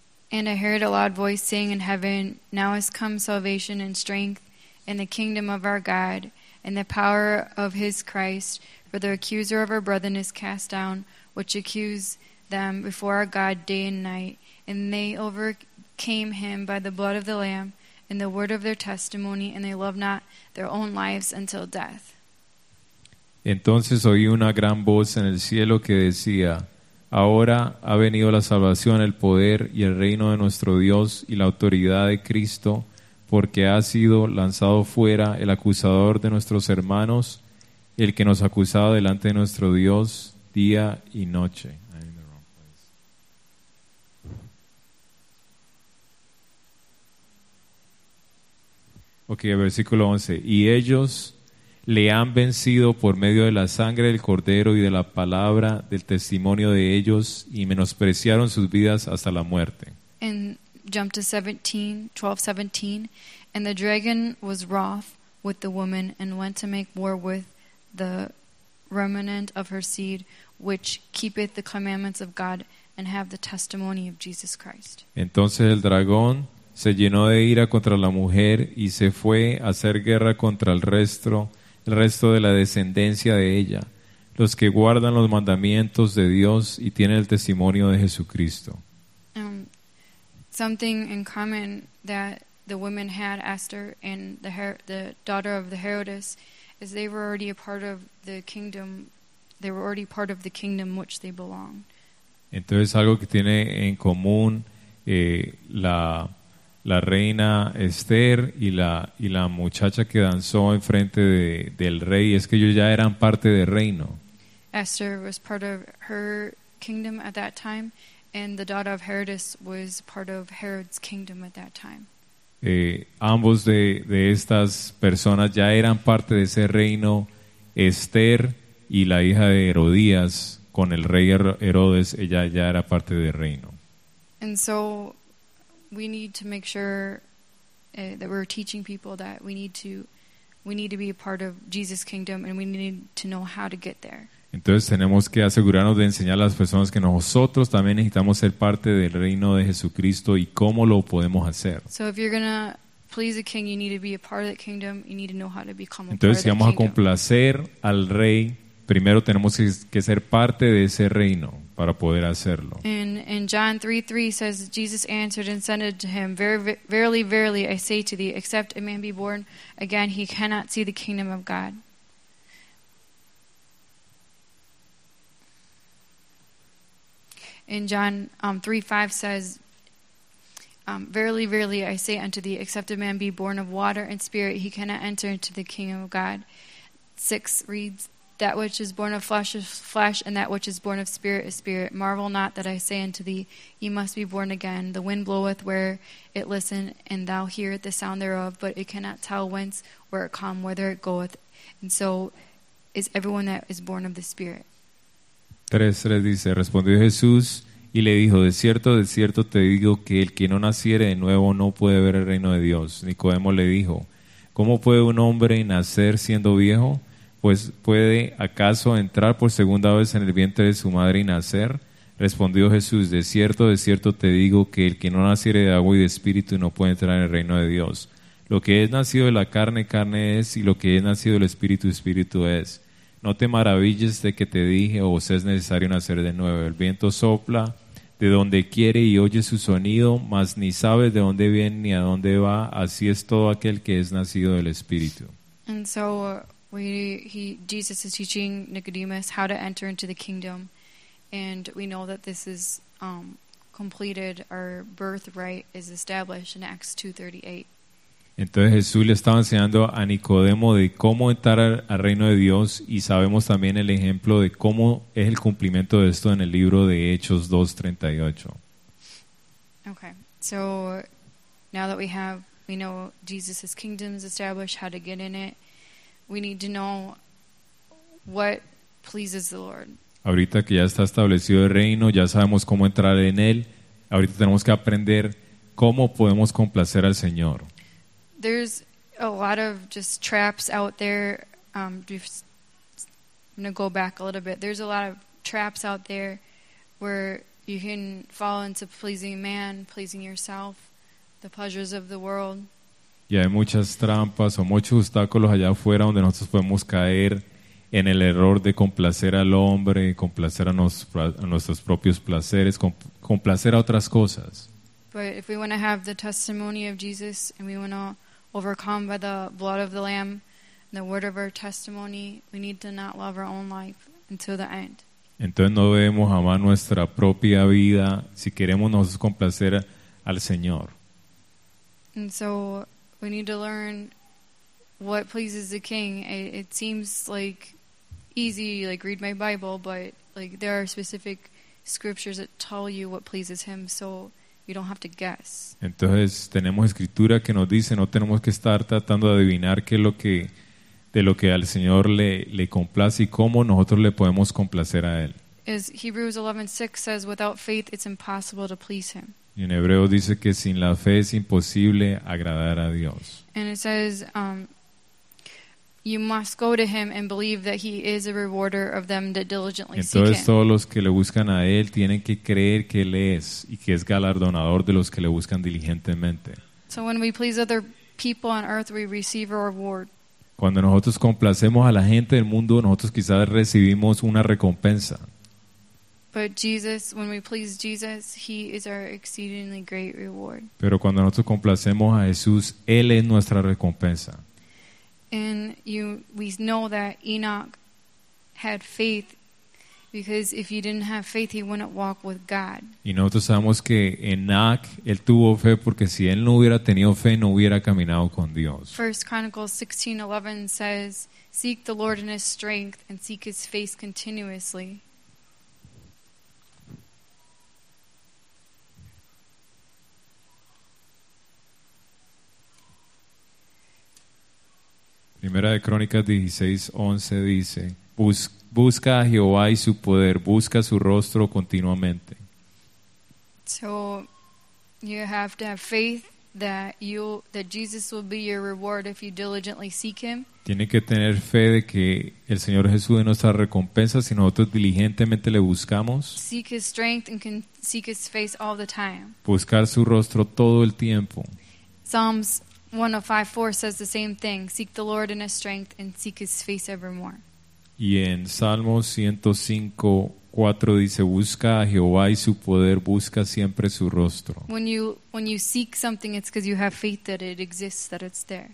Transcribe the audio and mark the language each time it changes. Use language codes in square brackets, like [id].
[en] And I heard a loud voice saying in heaven, now has come salvation and strength and the kingdom of our God and the power of his Christ, for the accuser of our brethren is cast down, which accused them before our God day and night, and they overcame him by the blood of the Lamb and the word of their testimony, and they loved not their own lives until death. [es] Entonces oí una gran voz en el cielo que decía: ahora ha venido la salvación, el poder y el reino de nuestro Dios y la autoridad de Cristo, porque ha sido lanzado fuera el acusador de nuestros hermanos, el que nos acusaba delante de nuestro Dios día y noche. Ok, versículo 11. Y ellos le han vencido por medio de la sangre del Cordero y de la palabra del testimonio de ellos, y menospreciaron sus vidas hasta la muerte. [en] And jump to 12:17. And the dragon was wroth with the woman and went to make war with the remnant of her seed, which keepeth the commandments of God and have the testimony of Jesus Christ. [es] Entonces el dragón se llenó de ira contra la mujer y se fue a hacer guerra contra el resto de la descendencia de ella, los que guardan los mandamientos de Dios y tienen el testimonio de Jesucristo. [en] Something in common that the women had, Esther and the daughter of the Herodias, is they were already a part of the kingdom. They were already part of the kingdom which they belonged. [es] Entonces algo que tiene en común la reina Esther y la muchacha que danzó enfrente del rey es que ellos ya eran parte del reino. [en] Esther was part of her kingdom at that time, and the daughter of Herodias was part of Herod's kingdom at that time. [es] Ambos de estas personas ya eran parte de ese reino, Esther y la hija de Herodías con el rey Herodes, ella ya era parte del reino. [en] And so we need to make sure that we're teaching people that we need to be a part of Jesus' kingdom, and we need to know how to get there. [es] Entonces tenemos que asegurarnos de enseñar a las personas que nosotros también necesitamos ser parte del reino de Jesucristo y cómo lo podemos hacer. [en] So if you're gonna please a king, you need to be a part of that kingdom. You need to know how to become a part of that. [es] Entonces si vamos a complacer al rey, primero tenemos que ser parte de ese reino para poder hacerlo. [en] In John 3:3 says, Jesus answered and said unto him, verily, verily, I say to thee, except a man be born again, he cannot see the kingdom of God. In John 3:5 says, verily, verily, I say unto thee, except a man be born of water and spirit, he cannot enter into the kingdom of God. 6 reads, That which is born of flesh is flesh, and that which is born of spirit is spirit. Marvel not that I say unto thee, ye must be born again. The wind bloweth where it listeth, and thou hearest the sound thereof, but it cannot tell whence where it come, whither it goeth. And so is everyone that is born of the Spirit. [es] 3:3 dice, respondió Jesús y le dijo, de cierto te digo que el que no naciere de nuevo no puede ver el reino de Dios. Nicodemo le dijo, ¿cómo puede un hombre nacer siendo viejo? Pues, ¿puede acaso entrar por segunda vez en el vientre de su madre y nacer? Respondió Jesús, de cierto te digo que el que no naciere de agua y de espíritu no puede entrar en el reino de Dios. Lo que es nacido de la carne, carne es, y lo que es nacido del espíritu, espíritu es. No te maravilles de que te dije, os es necesario nacer de nuevo. El viento sopla de donde quiere y oye su sonido, mas ni sabes de dónde viene ni a dónde va. Así es todo aquel que es nacido del espíritu. [en] And so, Jesus is teaching Nicodemus how to enter into the kingdom, and we know that this is completed. Our birthright is established in Acts 2:38. [es] Entonces Jesús le estaba enseñando a Nicodemo de cómo entrar al reino de Dios, y sabemos también el ejemplo de cómo es el cumplimiento de esto en el libro de Hechos 2:38. [en] Okay, so now that we know Jesus' kingdom is established, how to get in it. We need to know what pleases the Lord. [es] Ahorita que ya está establecido el reino, ya sabemos cómo entrar en él. Ahorita tenemos que aprender cómo podemos complacer al Señor. [en] There's a lot of just traps out there. I'm going to go back a little bit. There's a lot of traps out there where you can fall into pleasing man, pleasing yourself, the pleasures of the world. [es] Y hay muchas trampas o muchos obstáculos allá afuera donde nosotros podemos caer en el error de complacer al hombre, complacer a nuestros propios placeres, complacer a otras cosas. [en] But if we want to have the testimony of Jesus and we want to overcome by the blood of the Lamb and the word of our testimony, we need to not love our own life until the end. [es] Entonces no debemos amar nuestra propia vida si queremos nosotros complacer al Señor. [en] And so we need to learn what pleases the King. It seems like easy, like read my Bible, but like there are specific scriptures that tell you what pleases Him, so you don't have to guess. [es] Entonces tenemos escritura que nos dice, no tenemos que estar tratando de adivinar qué es lo que al Señor le complace y cómo nosotros le podemos complacer a Él. [en] As Hebrews 11:6 says, without faith it's impossible to please Him. [es] Y en Hebreo dice que sin la fe es imposible agradar a Dios. [en] And it says, you must go to Him and believe that He is a rewarder of them that diligently seek Him. [es] Entonces todos los que le buscan a Él tienen que creer que Él es y que es galardonador de los que le buscan diligentemente. [en] So when we please other people on earth, we receive a reward. [es] Cuando nosotros complacemos a la gente del mundo, nosotros quizás recibimos una recompensa. [en] But Jesus, when we please Jesus, He is our exceedingly great reward. [es] Pero cuando nosotros complacemos a Jesús, Él es nuestra recompensa. [en] And we know that Enoch had faith, because if he didn't have faith, he wouldn't walk with God. [es] Y nosotros sabemos que Enoch, él tuvo fe porque si él no hubiera tenido fe, no hubiera caminado con Dios. [en] 1 Chronicles 16:11 says, seek the Lord in His strength and seek His face continuously. [es] Primera de Crónicas 16:11 dice, busca a Jehová y su poder, busca su rostro continuamente. [en] So you have to have faith that Jesus will be your reward if you diligently seek Him. [es] Tiene que tener fe de que el Señor Jesús es nuestra recompensa si nosotros diligentemente le buscamos. [en] Seek His strength and seek His face all the time. [es] Buscar su rostro todo el tiempo. [en] Psalms 105:4 says the same thing. Seek the Lord in His strength and seek His face evermore. [es] Y en Salmos 105:4 dice, busca a Jehová y su poder, busca siempre su rostro. [en] When you seek something, it's because you have faith that it exists, that it's there.